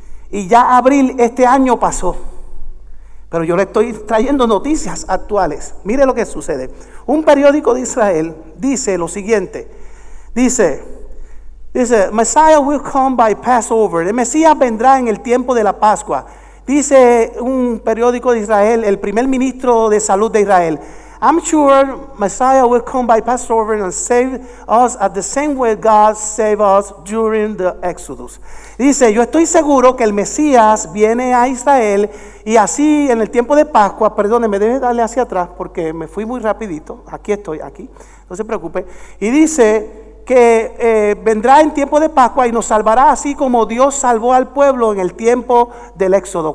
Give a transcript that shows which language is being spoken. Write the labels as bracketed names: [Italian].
[Spanish] Y ya abril este año pasó. Pero yo le estoy trayendo noticias actuales. Mire lo que sucede. Un periódico de Israel dice lo siguiente. Dice, [English] Messiah will come by Passover. [Spanish] El Mesías vendrá en el tiempo de la Pascua. Dice un periódico de Israel, el primer ministro de salud de Israel. [English] I'm sure Messiah will come by Passover and save us at the same way God saved us during the Exodus. [Spanish] Dice, yo estoy seguro que el Mesías viene a Israel y así en el tiempo de Pascua, perdóneme, debe darle hacia atrás porque me fui muy rapidito. Aquí estoy, aquí, no se preocupe. Y dice que vendrá en tiempo de Pascua y nos salvará así como Dios salvó al pueblo en el tiempo del Éxodo.